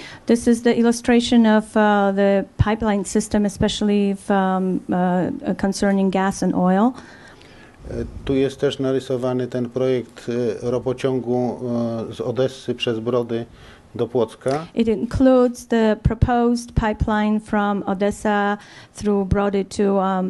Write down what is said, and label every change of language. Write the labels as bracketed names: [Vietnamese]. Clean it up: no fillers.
[English] This is the illustration of the pipeline system, especially if, concerning gas and oil. [Polish] Tu jest też narysowany ten projekt ropociągu z Odessy przez Brody do Płocka. [English] It includes the proposed pipeline from Odessa through Brody to